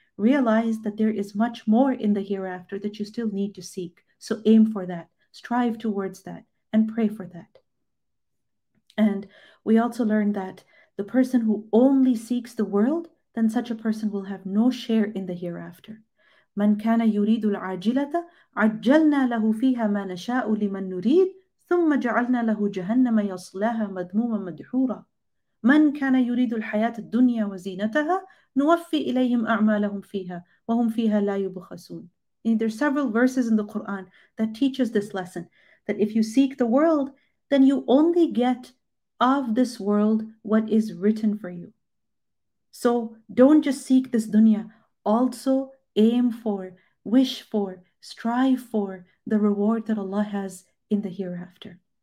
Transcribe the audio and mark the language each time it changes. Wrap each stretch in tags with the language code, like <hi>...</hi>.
<en>Realize that there is much more in the hereafter that you still need to seek. So aim for that, strive towards that, and pray for that. And we also learned that the person who only seeks the world, then such a person will have no share in the hereafter.</en> <ar>من كان يريد العاجلة عجلنا له فيها ما نشاء لمن نريد ثم جعلنا له جهنم يصلاها مذموما مدحورا. من كان يريد الحياة الدنيا وزينتها نوفي إليهم أعمالهم فيها وهم فيها لا يبخسون.</ar> <en>And there are several verses in the Quran that teaches this lesson, that if you seek the world, then you only get of this world what is written for you. So don't just seek this dunya, also aim for, wish for, strive for the reward that Allah has in the hereafter.</en>